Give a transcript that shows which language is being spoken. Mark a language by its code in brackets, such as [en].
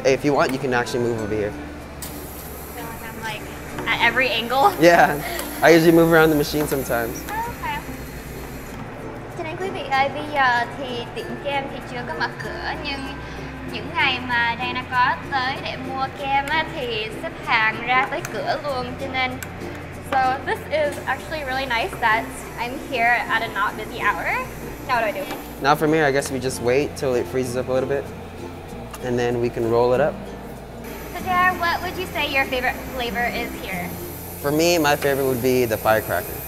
[en] Hey, if you want, you can actually move over here. I feel like I'm like at every angle. Yeah. I usually move around the machine sometimes. Oh, okay. [vi] Quý vị ơi, bây giờ thì tiệm kem thì chưa có mở cửa, nhưng... Những ngày mà Diana có tới để mua kem á, thì xếp hàng ra tới cửa luôn, cho nên... [en] So this is actually really nice that I'm here at a not busy hour. Now what do I do? Now from here, I guess we just wait till it freezes up a little bit, and then we can roll it up. So Jar, what would you say your favorite flavor is here? For me, my favorite would be the firecracker.